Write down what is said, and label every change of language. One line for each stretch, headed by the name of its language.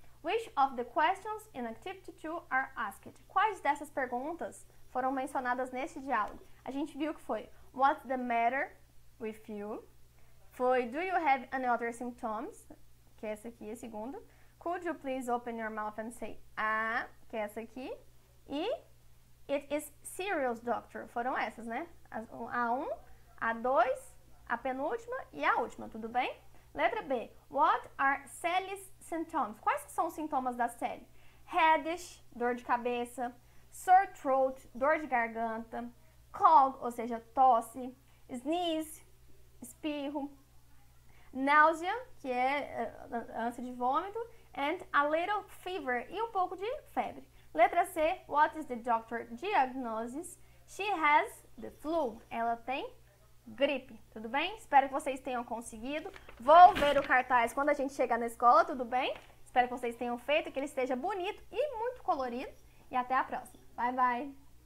English: Which of the questions in activity 2 are asked?
Portuguese: Quais dessas perguntas foram mencionadas nesse diálogo? A gente viu que foi
English: what's the matter with you? Foi, do you have any other symptoms?
Portuguese: Que é essa aqui, a segunda.
English: Could you please open your mouth and say ah?
Portuguese: Que é essa aqui. E,
English: it is serious, doctor.
Portuguese: Foram essas, né? A1, A2, a penúltima e a última, tudo bem? Letra B.
English: What are Sally's symptoms?
Portuguese: Quais são os sintomas da Sally? Headache, dor de cabeça. Sore throat, dor de garganta. Cough, ou seja, tosse. Sneeze, espirro. Nausea, que é ânsia de vômito.
English: And a little fever,
Portuguese: e um pouco de febre.
English: Letra C, what is the doctor's diagnosis? She has the flu.
Portuguese: Ela tem gripe, tudo bem? Espero que vocês tenham conseguido. Vou ver o cartaz quando a gente chegar na escola, tudo bem? Espero que vocês tenham feito, que ele esteja bonito e muito colorido. E até a próxima. Bye, bye!